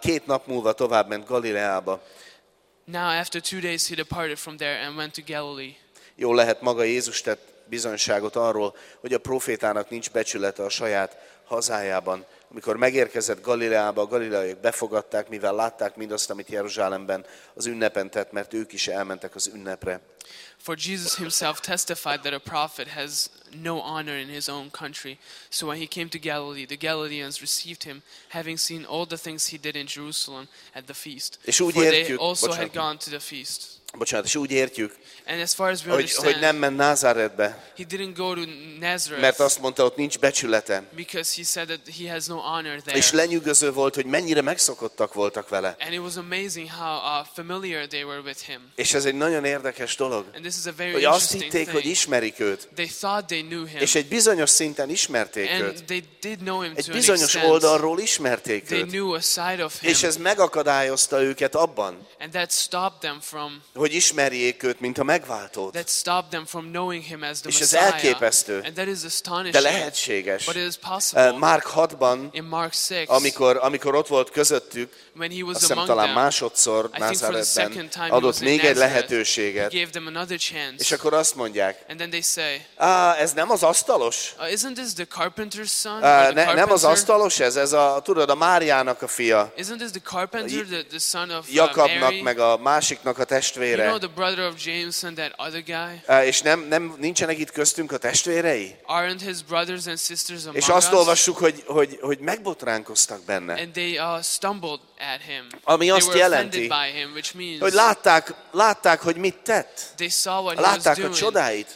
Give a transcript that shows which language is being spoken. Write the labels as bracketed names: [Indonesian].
[Hungarian] Két nap múlva tovább ment Galileába. [English] Now after two days he departed from there and went to Galilee. [Hungarian] Jó lehet, maga Jézus tett bizonyságot arról, hogy a prófétának nincs becsülete a saját hazájában. Amikor megérkezett Galileába, a galileaiak befogadták, mivel látták mindazt, amit Jeruzsálemben az ünnepen tett, mert ők is elmentek az ünnepre. [English] For Jesus himself testified that a prophet has no honor in his own country. So when he came to Galilee, the Galileans received him, having seen all the things he did in Jerusalem at the feast. [Hungarian] És úgy értjük, [English] for they also had gone to the feast. [Hungarian] Bocsánat, és úgy értjük, hogy nem ment Názáretbe, [English] he didn't go to Nazareth, [Hungarian] mert azt mondta, ott nincs becsülete. [English] Because he said that he has no honor there. [Hungarian] És lenyűgöző volt, hogy mennyire megszokottak voltak vele. [English] And it was amazing how familiar they were with him. [Hungarian] És ez egy nagyon érdekes dolog, [English] and this is a very [Hungarian] hogy azt hitték, [English] thing. [Hungarian] Hogy ismerik őt. [English] They thought they knew him. [Hungarian] És egy bizonyos szinten ismerték [English] and [Hungarian] őt. [English] They did know him [Hungarian] egy [English] to [Hungarian] bizonyos [English] an extent. [Hungarian] Oldalról ismerték [English] they [Hungarian] őt. [English] Knew a side of him. [Hungarian] És ez megakadályozta őket abban, [English] and that stopped them from [Hungarian] hogy ismerjék őt, mint a megváltót. [English] That stopped them from knowing him as the [Hungarian] Messiah. És ez elképesztő. [English] And that is astonishing. [Hungarian] De lehetséges. [English] But it is possible. [Hungarian] Mark 6-ban, [English] in Mark 6, [Hungarian] amikor ott volt közöttük, [English] when he was [Hungarian] azt hiszem talán másodszor Názáretben adott még egy lehetőséget, [English] he gave them another chance. [Hungarian] És akkor azt mondják. [English] And then they say. [Hungarian] Ah, ez nem az asztalos? [English] Isn't this the carpenter's son? [Hungarian] Nem az asztalos ez, ez a tudod a Máriának a fia. [English] Isn't this the carpenter the son of Mary? [Hungarian] Jakabnak meg a másiknak a testvére. [English] You know the brother of James and that other guy? [Hungarian] És nem nincsenek itt köztünk a testvérei? [English] Aren't his brothers and sisters among [Hungarian] us? És azt olvassuk, hogy megbotránkoztak benne. [English] And they stumbled at him. [Hungarian] Ami azt jelenti, hogy látták, hogy mit tett. [English] They saw what [Hungarian] látták [English] he was [Hungarian] a csodáit.